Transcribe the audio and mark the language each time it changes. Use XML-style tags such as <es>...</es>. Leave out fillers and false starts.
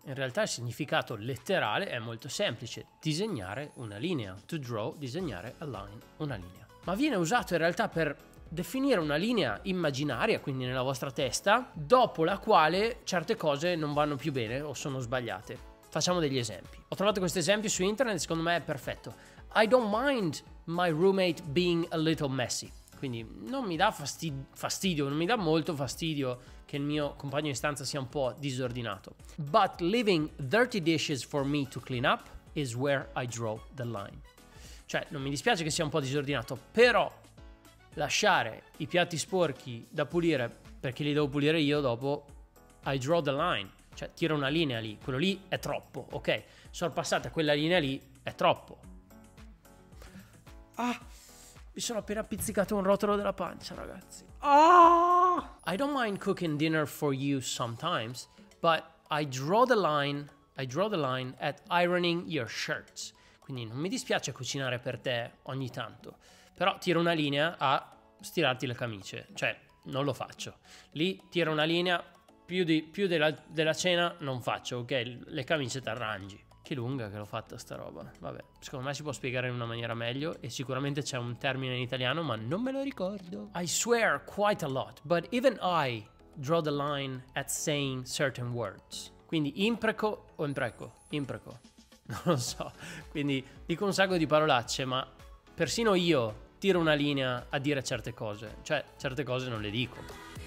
<it>In realtà il significato letterale è molto semplice. Disegnare una linea.</it> <en>To draw,</en> <it>disegnare</it> <en>a line,</en> <it>una linea. Ma viene usato in realtà per definire una linea immaginaria, quindi nella vostra testa, dopo la quale certe cose non vanno più bene o sono sbagliate. Facciamo degli esempi. Ho trovato questo esempio su internet, secondo me è perfetto.</it> <en>I don't mind my roommate being a little messy.</en> <it>Quindi non mi dà fastidio, non mi dà molto fastidio che il mio compagno in stanza sia un po' disordinato.</it> <en>But leaving dirty dishes for me to clean up is where I draw the line.</en> <it>Cioè, non mi dispiace che sia un po' disordinato, però lasciare i piatti sporchi da pulire perché li devo pulire io dopo,</it> <en>I draw the line.</en> <it>Cioè, tiro una linea lì, quello lì è troppo, ok? Sorpassata quella linea lì, è troppo. Ah! Mi sono appena pizzicato un rotolo della pancia, ragazzi. Oh!</it> <en>I don't mind cooking dinner for you sometimes, but I draw the line at ironing your shirts.</en> <it>Quindi non mi dispiace cucinare per te ogni tanto, però tiro una linea a stirarti le camicie. Cioè, non lo faccio. Lì tiro una linea, più della cena non faccio, ok? Le camicie t'arrangi. Che lunga che l'ho fatta sta roba. Vabbè, secondo me si può spiegare in una maniera meglio e sicuramente c'è un termine in italiano, ma non me lo ricordo.</it> <en>I swear quite a lot, but even I draw the line at saying certain words.</en> <it>Quindi impreco o impreco? Impreco. Non lo so. Quindi dico un sacco di parolacce, ma persino io tiro una linea a dire certe cose. Cioè, certe cose non le dico.</it>